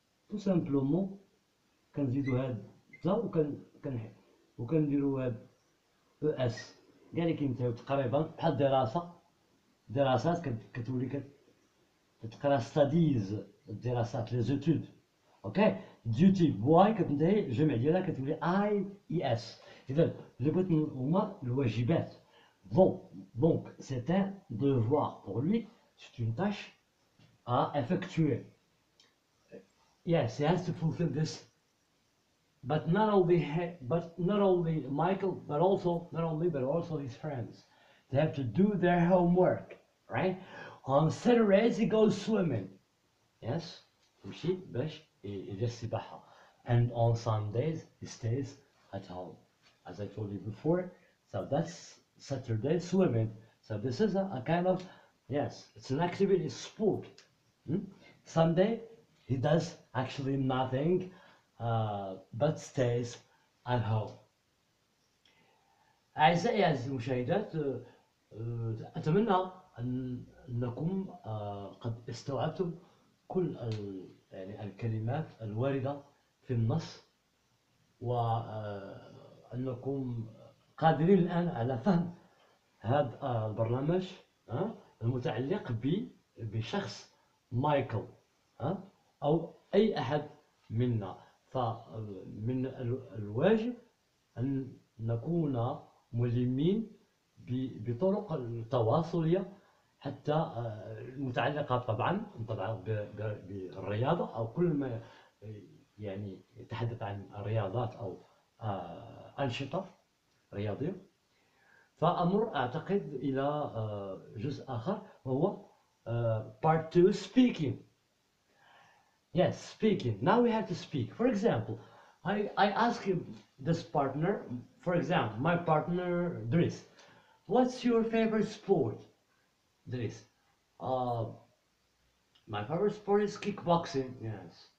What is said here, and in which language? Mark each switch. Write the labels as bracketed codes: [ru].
[fr] Tout simplement quand vous avez ça ou quand vous avez ES. [ar] يعني كنت تقريبا بحال دراسات كتولي كتقرا ستاديز الدراسات لي زوتود. اوكي، ديوتي بواي كتنتهي الجمع ديالها كتولي اي اس، إذن لابد من هما الواجبات. [fr] Donc c'est un devoir pour lui, c'est une tâche à effectuer. [en] Yes, he has to fulfill this. But not only Michael, but also his friends. They have to do their homework, right? On Saturdays he goes swimming. [ar] Yes, مشي باش يدير السباحة. [en] And on Sundays he stays at home. As I told you before, so that's Saturday swimming. So this is a kind of, yes, it's an activity, sport. Sunday he does actually nothing, but stays at home. [ar] أعزائي المشاهدات, أتمنى أنكم قد استوعبتم كل الكلمات الواردة في النص, وأنكم قادرين الآن على فهم هذا البرنامج المتعلق بشخص مايكل أو أي أحد منا. فمن الواجب أن نكون ملمين بطرق التواصلية حتى المتعلقة طبعا بالرياضة أو كل ما يعني يتحدث عن الرياضات أو أنشطة رياضية. فأمر أعتقد إلى جزء آخر وهو [en] part 2 speaking. Yes, speaking. Now we have to speak. For example, I ask him, this partner, for example, my partner Dries, what's your favorite sport? Dries, my favorite sport is kickboxing. Yes.